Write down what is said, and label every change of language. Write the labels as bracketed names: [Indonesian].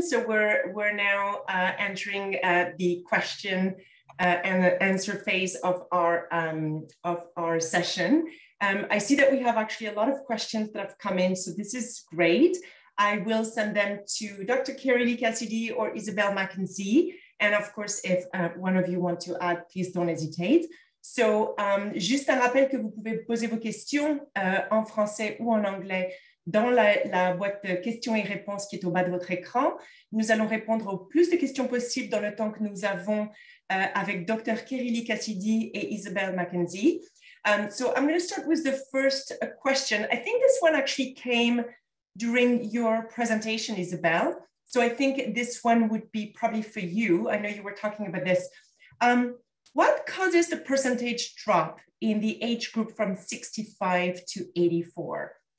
[English] So we're now entering the question and the answer phase of our session. I see that we have actually a lot of questions that have come in. So this is great. I will send them to Dr. Keri-Leigh Cassidy or Isobel Mackenzie. And of course, if one of you want to add, please don't hesitate. [French] So juste un rappel que vous pouvez poser vos questions en français ou en anglais dans la boîte de questions et réponses qui est au bas de votre écran. Nous allons répondre au plus de questions possibles dans le temps que nous avons avec Dr. Keri-Leigh Cassidy et Isobel Mackenzie. [English] So I'm going to start with the first question. I think this one actually came during your presentation, Isobel. So I think this one would be probably for you. I know you were talking about this. What causes the percentage drop in the age group from 65 to 84?